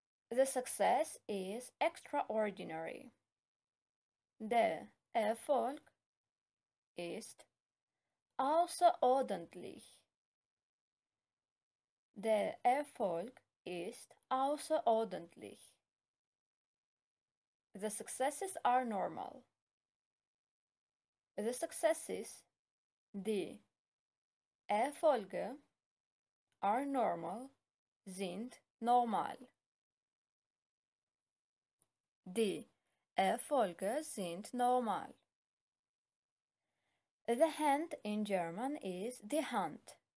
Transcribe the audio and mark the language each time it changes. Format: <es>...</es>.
<en>The success is extraordinary.</en> <de>Der Erfolg ist außerordentlich. Der Erfolg ist außerordentlich.</de> <en>The successes are normal. The successes,</en> <de>die Erfolge,</de> <en>are normal,</en> <de>sind normal. Die Erfolge sind normal.</de> <en>The hand in German is die Hand.</en>